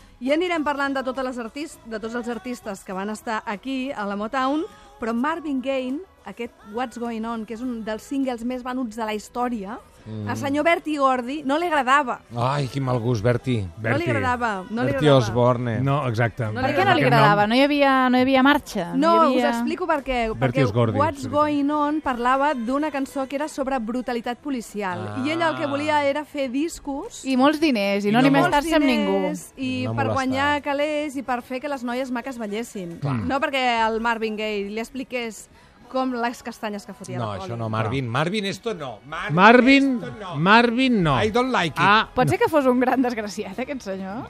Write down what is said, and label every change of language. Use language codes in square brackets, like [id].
[ca] I anirem parlant de totes les artistes, de tots els artistes que van estar aquí a la Motown, però Marvin Gaye, aquest What's Going On, que és un dels singles més venuts de la història, a senyor Bertie Gordy no li agradava. Ai, quin mal gust, Bertie. No li agradava. No Bertie Osborne. No, exacte. No per què no li agradava? No hi havia, no hi havia marxa? No, no hi havia... us explico per què. Bertie Osborne. What's Going On parlava d'una cançó que era sobre brutalitat policial. Ah. I ella el que volia era fer discos. I molts diners, i no ni molestar-se amb ningú. I no per guanyar calés i per fer que les noies maques ballessin. Clar. No perquè el Marvin Gaye li expliqués... com les castanyes que fotia. No, això no, Marvin. No. [es] Marvin, esto no. Marvin, esto no. Marvin, no. [en] I don't like it. Ah, [ca] pot ser que fos un gran desgraciat, aquest senyor?